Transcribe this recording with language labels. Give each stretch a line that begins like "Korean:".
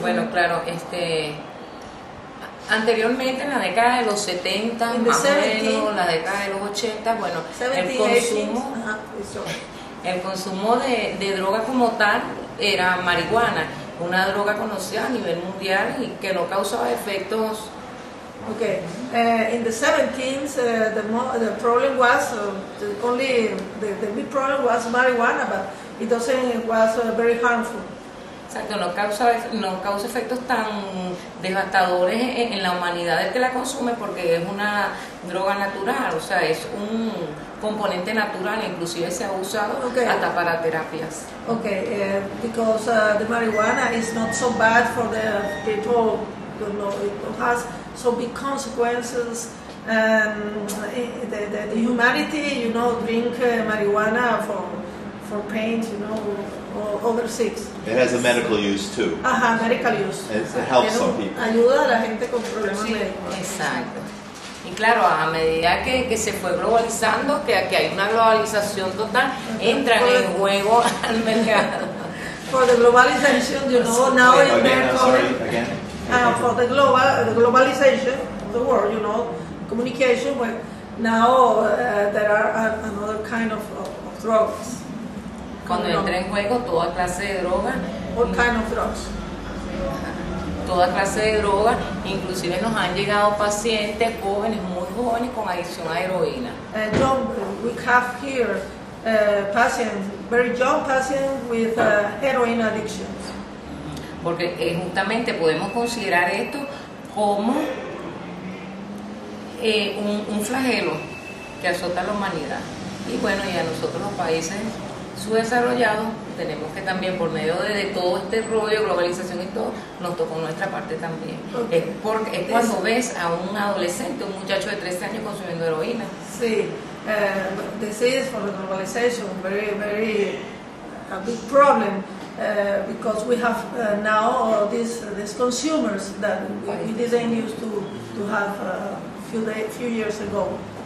Spanish: Bueno, claro, anteriormente en la década de los 70,
English: in
Spanish: más o menos, la década de los 80, bueno, 70, el consumo de droga como tal era marihuana, una droga conocida a nivel mundial y que no causaba efectos.
English: Okay. In the 70s, the problem was the big problem was marijuana, but it was very harmful.
Spanish: Exacto. No causa efectos tan devastadores en la humanidad el que la consume porque es una droga natural. O sea, es un componente natural. Inclusive se ha usado hasta para terapias.
English: Okay. Because the marijuana is not so bad for the people. No, it has so big consequences, the humanity, you know, drink marijuana for pain, you know, or other sick. It has a medical use too. Uh-huh, medical use. It helps some people.
Spanish: Ayuda a la gente con problemas médicos. Exacto. Y claro, a medida que se fue globalizando, que hay una globalización total, entran en juego al mercado.
English: For the globalization, you know, now in America. For the globalization of the world, you know, communication. But now there are another kind of drugs.
Spanish: Cuando entra en juego toda clase de droga.
English: What kind of drugs?
Spanish: Toda clase de droga, inclusive nos han llegado pacientes jóvenes, muy jóvenes, con adicción a heroína.
English: We have here patients, very young patients with heroin addiction.
Spanish: Porque justamente podemos considerar esto como un flagelo que azota a la humanidad. Y bueno, y a nosotros los países subdesarrollados tenemos que también por medio de todo este rollo, globalización y todo, nos tocó nuestra parte también.
English: Okay.
Spanish: Es cuando ves a un adolescente, un muchacho de 13 años consumiendo heroína.
English: Sí, this is for the globalization, very, very a big problem. because we have now these consumers that we didn't used to have a few years ago.